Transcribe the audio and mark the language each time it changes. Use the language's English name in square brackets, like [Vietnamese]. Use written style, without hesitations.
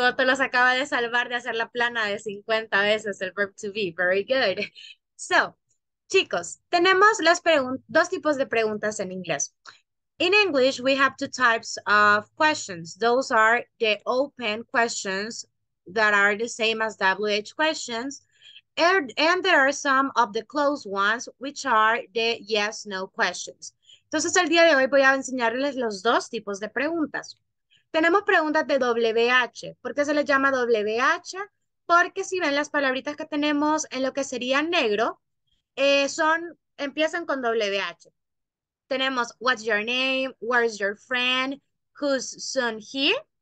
[Spanish] Otto los acaba de salvar de hacer la plana de 50 veces el verb to be. [English] Very good. So, [Spanish] chicos, tenemos las dos tipos de preguntas en inglés. [English] In English, we have two types of questions. Those are the open questions that are the same as WH questions. And there are some of the closed ones, which are the yes/no questions. [Spanish] Entonces, el día de hoy voy a enseñarles los dos tipos de preguntas. Tenemos preguntas de WH. ¿Por qué se les llama WH? Porque si ven las palabritas que tenemos en lo que sería negro, empiezan con WH. Tenemos, [English] what's your name? Where's your friend? Who's soon here?